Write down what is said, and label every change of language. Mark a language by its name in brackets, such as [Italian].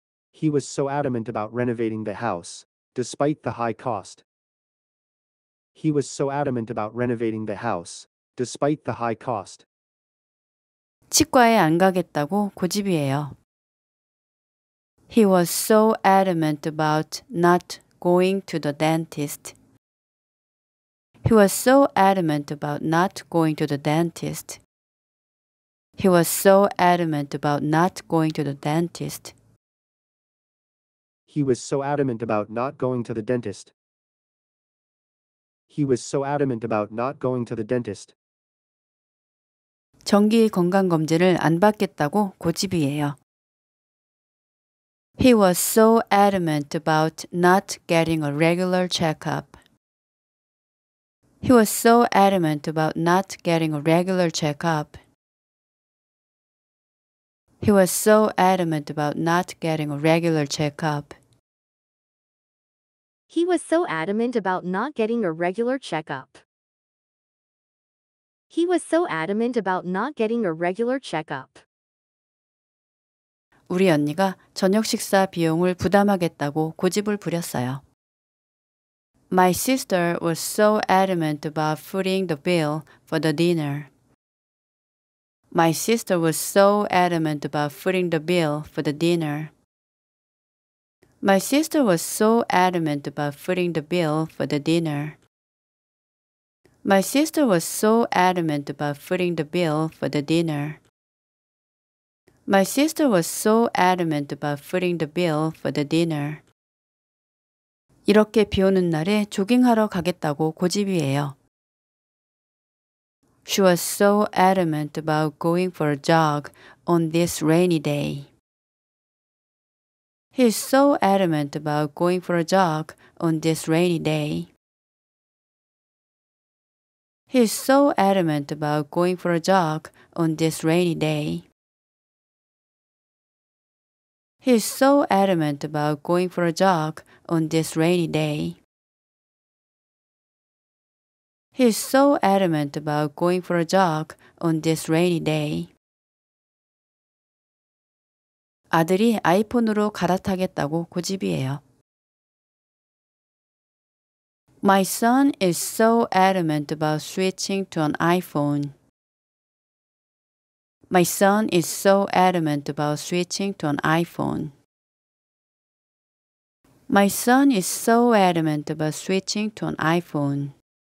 [English] He was so adamant about renovating the house despite the high cost. He was so adamant about renovating the house despite the high cost. [Korean] 치과에 안 가겠다고 고집이에요. [English] He was so adamant about not going to the dentist. He was so adamant about not going to the dentist. He was so adamant about not going to the dentist. He was so adamant about not going to the dentist. He was so adamant about not going to the dentist. [Korean] 정기 건강검진을 안 받겠다고 고집이에요. [English] He was so adamant about not getting a regular checkup. He was so adamant about not getting a regular checkup. He was so adamant about not getting a regular checkup. He was so adamant about not getting a regular checkup. He was so adamant about not getting a regular checkup. [Korean] 우리 언니가 저녁 식사 비용을 부담하겠다고 고집을 부렸어요. [English] My sister was so adamant about footing the bill for the dinner. My sister was so adamant about footing the bill for the dinner. My sister was so adamant about footing the bill for the dinner. My sister was so adamant about footing the bill for the dinner. My sister was so adamant about footing the bill for the dinner. [Korean] 이렇게 비 오는 날에 조깅하러 가겠다고 고집이에요. [English] She was so adamant about going for a jog on this rainy day. He is so adamant about going for a jog on this rainy day. He is so adamant about going for a jog on this rainy day. He is so adamant about going for a jog on this rainy day. He is so adamant about going for a jog on this rainy day. [Korean] 아들이 아이폰으로 갈아타겠다고 고집이에요. [English] My son is so adamant about switching to an iPhone. My son is so adamant about switching to an iPhone. My son is so adamant about switching to an iPhone.